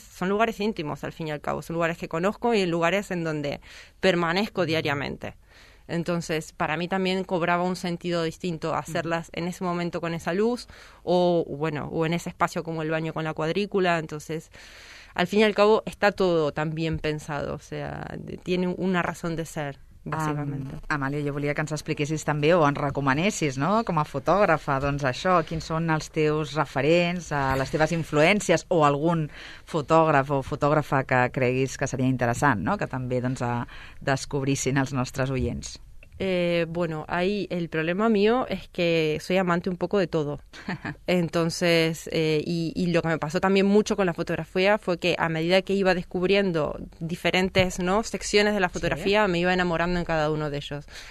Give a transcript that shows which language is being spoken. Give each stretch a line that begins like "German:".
Spanish: Son lugares íntimos, al fin y al cabo. Son lugares que conozco y lugares en donde permanezco diariamente. Entonces, para mí también cobraba un sentido distinto hacerlas en ese momento con esa luz o, bueno, o en ese espacio como el baño con la cuadrícula. Entonces, al fin y al cabo, está todo también pensado. O sea, tiene una razón de ser.
Catalan: bàsicament. Amàlia, jo volia que ens expliquessis també o ens recomanessis, no?, com a fotògrafa, doncs això, quins són els teus referents, les teves influències o algun fotògraf o fotògrafa que creguis que seria interessant, no?, que també doncs, descobrissin els nostres oients.
Spanish: Bueno, ahí el problema mío es que soy amante un poco de todo. Entonces, y lo que me pasó también mucho con la fotografía fue que a medida que iba descubriendo diferentes, ¿no?, secciones de la fotografía, sí, me iba enamorando en cada uno de ellos.